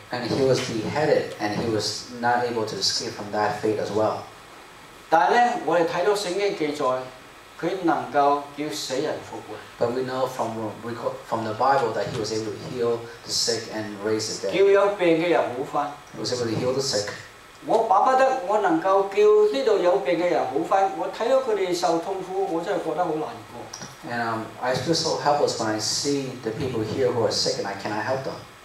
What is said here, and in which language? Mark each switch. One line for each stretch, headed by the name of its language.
English: And he was beheaded, and he was not able to escape from that fate as well.
Chinese: 但呢,我们看到圣经记载,他能够叫死人复活。
English: But we know from the Bible that he was able to heal the sick and raise the dead.
Chinese: 叫有病的人好翻。
English: He was able to heal the sick.
Chinese: 我巴不得我能够叫这里有病的人好翻,我看到他们受痛苦,我真的觉得很难过。
English: And I feel so helpless when I see the people here who are sick and I cannot help them.